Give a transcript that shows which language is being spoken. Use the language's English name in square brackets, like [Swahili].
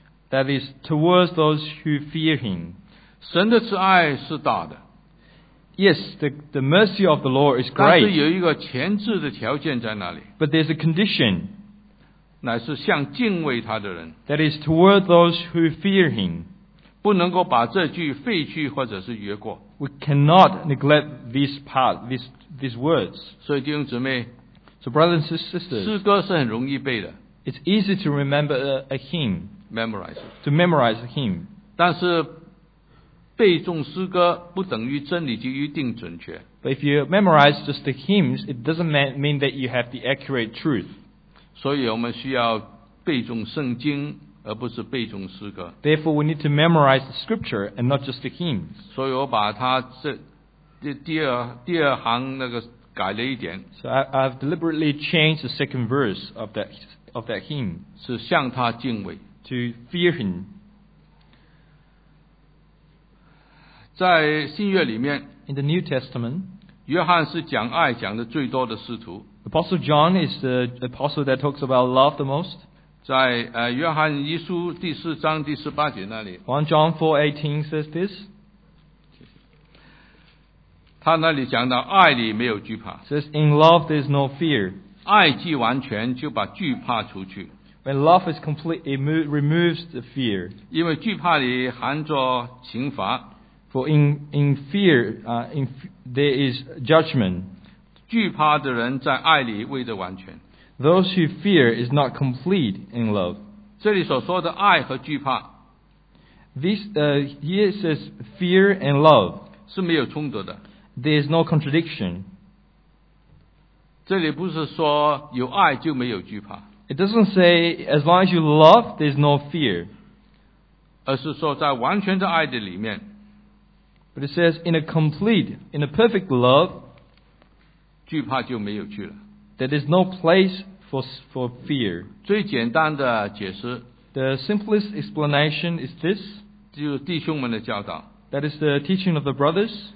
[English] That is towards those who fear him. [Chinese] 神的慈爱是大的。 [English] Yes, the mercy of the Lord is great. [Chinese] 但是有一个前置的条件在哪里？ [English] But there's a condition. [Chinese] 乃是向敬畏他的人。 [English] That is toward those who fear him. [Chinese] 不能够把这句废去或者是越过。 [English] We cannot neglect this part, these words. [Chinese] 所以弟兄姊妹， [English] So brothers and sisters, [Chinese] 诗歌是很容易背的。 [English] It's easy to remember a hymn. Memorize. To memorize him. [Chinese] 但是背诵诗歌不等于真理就一定准确。 [English] But if you memorize just the hymns, it doesn't mean that you have the accurate truth. [Chinese] 所以我们需要背诵圣经，而不是背诵诗歌。 [English] Therefore, we need to memorize the scripture and not just the hymns. [Chinese] 所以我把它第二行那个改了一点。 [English] So I've deliberately changed the second verse of that hymn. [Chinese] 是向他敬畏。 [English] To fear him. [Chinese] 在新约里面， [English] In the New Testament, [Chinese] 约翰是讲爱讲的最多的使徒。 [English] Apostle John is the apostle that talks about love the most. [Chinese] 在约翰一书第四章第十八节那里， [English] 1 John 4:18 says this. [Chinese] 他那里讲到爱里没有惧怕。 [English] Says in love there is no fear. [Chinese] 爱既完全，就把惧怕除去。 [English] When love is complete, it removes the fear. [Chinese] 因为惧怕里含着刑罚。 [English] For in fear, there is judgment. [Chinese] 惧怕的人在爱里未得完全。 [English] Those who fear is not complete in love. [Chinese] 这里所说的爱和惧怕。 [English] This, here it says fear and love. [Chinese] 是没有冲突的。 [English] There is no contradiction. [Chinese] 这里不是说有爱就没有惧怕。 [English] It doesn't say, as long as you love, there's no fear. [Chinese] 而是说在完全的爱的里面， [English] But it says, in a complete, in a perfect love, [Chinese] 惧怕就没有惧了, [English] there is no place for fear. [Chinese] 最简单的解释, [English] the simplest explanation is this, [Chinese] 就是弟兄们的教导, [English] that is the teaching of the brothers.